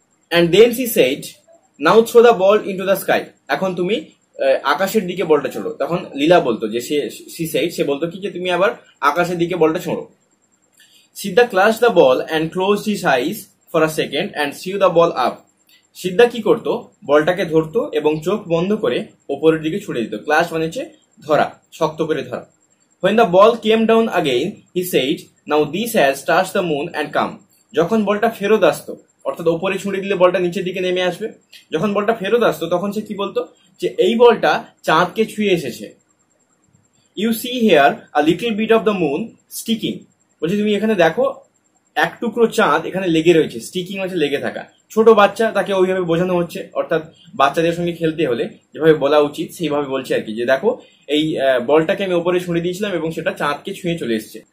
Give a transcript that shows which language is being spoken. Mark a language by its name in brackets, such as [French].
[English] and then she said, now throw the ball into the sky, [Bangla] এখন তুমি আকাশের দিকে বলটা ছোড়ো, তখন লীলা বলতো যে [English] she said, [Bangla] সে বলতো কি যে তুমি আবার আকাশের দিকে বলটা ছোড়ো। সিদ্ধা [English] clutch the ball and close his eyes for a second and see the ball up, [Bangla] সিদ্ধা কি করতো, বলটাকে ধরতো এবং চোখ বন্ধ করে ওপরের দিকে ছুড়ে দিত, ক্লাচ মানে হচ্ছে ধরা, শক্ত করে ধরা। [English] When the ball came down again, he said, now this has touched the moon and come. [Bangla] যখন বলটা ফেরত আসতো, অর্থাৎ ওপরে ছুঁড়ে দিলে বলটা নিচের দিকে নেমে আসবে, যখন বলটা ফেরত আসতো তখন সে কি বলতো, যে এই বলটা চাঁদকে ছুঁয়ে এসেছে। [English] you see here a little bit of the moon sticking, [Bangla] বলছে তুমি এখানে দেখো এক টুকরো চাঁদ এখানে লেগে রয়েছে, স্টিকিং হচ্ছে লেগে থাকা, ছোট বাচ্চা তাকে ওইভাবে বোঝানো হচ্ছে, অর্থাৎ বাচ্চাদের সঙ্গে খেলতে হলে যেভাবে বলা উচিত সেইভাবে বলছে আর কি, যে দেখো এই বলটাকে আমি ওপরে ছুঁড়ে দিয়েছিলাম এবং সেটা চাঁদকে ছুঁয়ে চলে এসেছে।